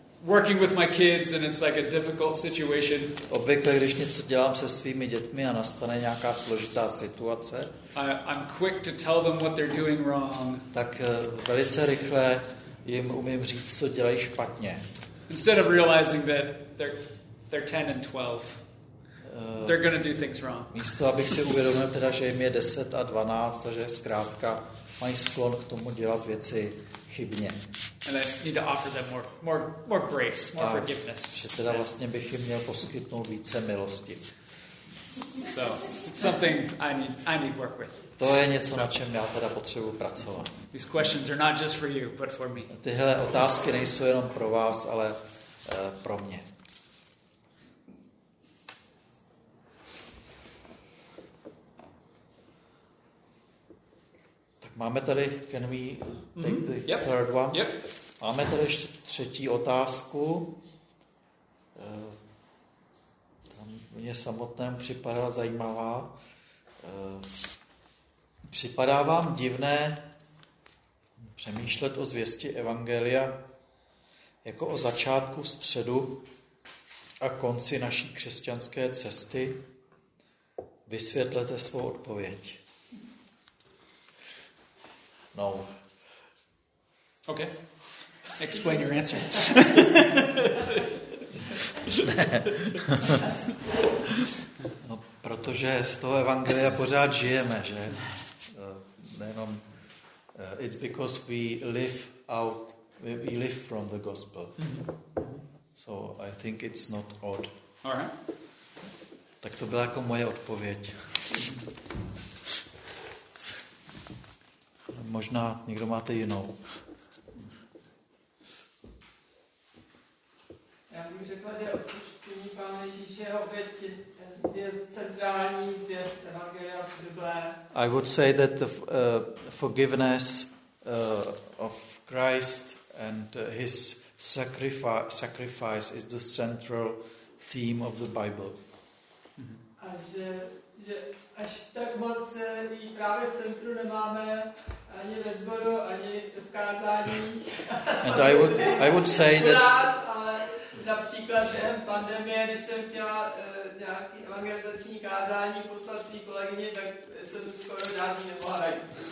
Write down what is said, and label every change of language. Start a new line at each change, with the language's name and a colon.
English: working with my kids and it's like a difficult situation.
Czech: Obvykle, když něco dělám se svými dětmi a nastane nějaká složitá situace.
English: I'm quick to tell them what they're doing wrong.
Czech: Tak velice rychle jim umím říct, co dělají špatně.
English: Instead of realizing that they're 10 and 12. They're going to do things wrong.
Czech: Místo abych si uvědomil teda, že jim je 10 a 12, takže zkrátka mají sklon k tomu dělat věci chybně.
English: And I need to offer them more grace, more forgiveness.
Czech: Že teda vlastně bych jim měl poskytnout více milosti.
English: So, it's something I need work with.
Czech: To je něco, na čem já teda potřebuji pracovat.
English: These questions are not just for you, but for me.
Czech: Tyhle otázky nejsou jenom pro vás, ale pro mě. Máme tady,
English: can we take the third one? Yep.
Czech: Máme tady ještě třetí otázku. Tam mě samotném připadala zajímavá. Připadá vám divné přemýšlet o zvěsti Evangelia jako o začátku středu a konci naší křesťanské cesty? Vysvětlete svou odpověď. No.
English: Okay. Explain your answer.
Czech: No, protože z toho evangelia pořád žijeme, že?
English: Nejenom it's because we live from the gospel. So I think it's not odd. All right.
Czech: Tak to byla jako moje odpověď. Možná někdo máte jinou. Já bych řekla, že odpuštění Pána Ježíše opět je centrální zvěst evangelia Bible.
English: I would say that the forgiveness of Christ and his sacrifice is the central theme of the Bible. Mm-hmm.
Czech: A že až tak moc jí právě v centru nemáme ani ve sboru, ani v kázání.
English: And I would say that
Czech: například během pandemie, když jsem chtěla nějaký evangelizační kázání poslat své kolegyně, tak jsem to skoro žádný nemohla najít.